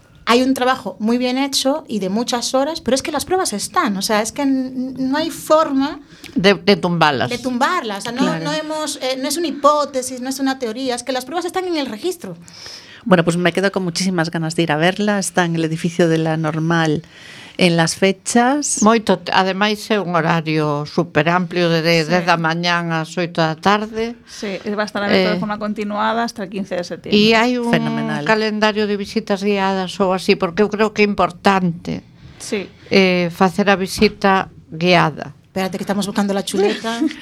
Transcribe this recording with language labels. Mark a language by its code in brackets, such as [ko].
[es] Hay un trabajo muy bien hecho y de muchas horas, pero es que las pruebas están. O sea, es que no hay forma de tumbarlas. De tumbarlas. O sea, no es una hipótesis, no es una teoría. Es que las pruebas están en el registro. Bueno, pues me quedo con muchísimas ganas de ir a verla. Está en el edificio de la normal en las fechas. [gl] Moito, además é un horario super amplio de da mañán ás 8 da tarde. [es] Sí, va a estar abierto de forma continuada hasta el 15 de setembro. Y hay un fenomenal calendario de visitas guiadas [gl] ou así, porque eu creo que é importante. [es] Sí. [gl] Facer a visita guiada. [es] Espérate que estamos buscando la chuleta.